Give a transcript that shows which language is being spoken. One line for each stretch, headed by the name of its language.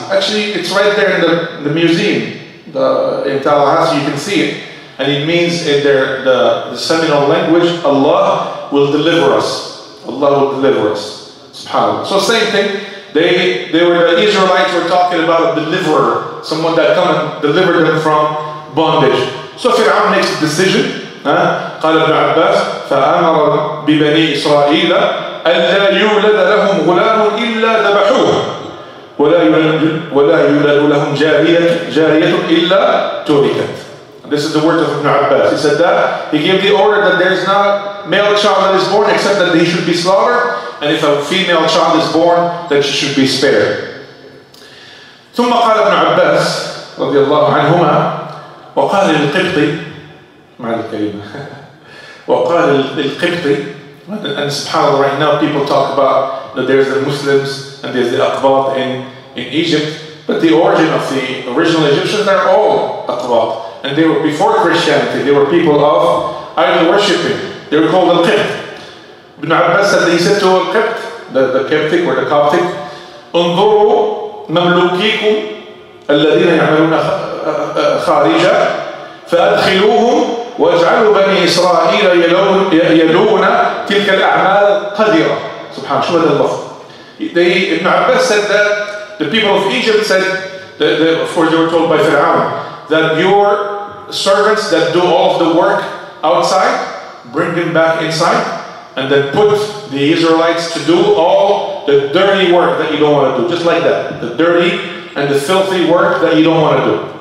English: Actually, it's right there in the museum in Tallahassee, you can see it. And it means in the Seminole language, Allah will deliver us. Allah will deliver us, subhanAllah. So same thing, the Israelites were talking about a deliverer, someone that come and deliver them from bondage. So Fir'aun makes a decision,
Arabic: قال ابن عباس فأمر ببني إسرائيل أَلَّا يُولَدَ لَهُمْ غُلَامٌ إِلَّا ذَبَحُوهُ وَلَا يُولَدُ لَهُمْ جَارِيَةٌ إِلَّا تُرِكَتْ.
English: This is the word of Ibn Abbas. He said that, he gave the order that there is not male child that is born except that he should be slaughtered, and if a female child is born, then she should be spared.
Arabic: ثُمَّ قَالَ ابْنُ عَبَّاسِ رَضِيَ اللَّهُ عَنْهُمَا وَقَالَ الْقِبْطِ مَعَ الْكَلِمَةِ وَقَالَ الْقِبْطِ.
English: And subhanAllah, right now people talk about that there's the Muslims and there's the Aqbat in Egypt, but the origin of the original Egyptians, they're all Aqbat. And they were before Christianity, they were people of idol worshipping. They were called Al-Qibt. Ibn Abbas said, he said to Al-Qibt, the Qibtic or the Coptic,
Arabic: انظروا مملوكيكم الذين يعملون خارجا فأدخلوهم واجعلوا بني إسرائيل يلون تلك الأعمال قذرة. سبحان شو هذا اللفظ.
English: They, Ibn Abbas said that the people of Egypt said for they were told by Pharaoh that your servants that do all of the work outside, bring them back inside, and then put the Israelites to do all the dirty work that you don't want to do, just like that, the dirty and the filthy work that you don't want to do.